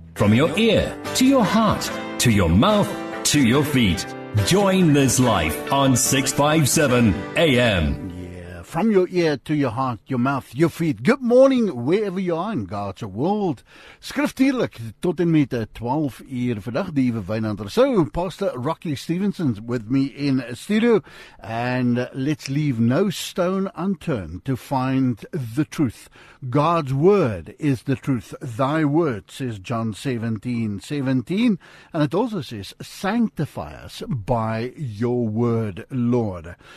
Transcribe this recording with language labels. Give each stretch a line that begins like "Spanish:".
English: From your ear, to your heart, to your mouth, to your feet. Join this life on 657 AM. From your ear to your heart, your mouth, your feet. Good morning, wherever you are in God's world.
Afrikaans: Skriftuurlik, tot en met 12 uur vandag, die Ewe Wynander.
English: So, Pastor Rocky Stevenson with me in studio. And let's leave no stone unturned to find the truth. God's word is the truth. Thy word, says John 17:17. And it also says, sanctify us by your word, Lord.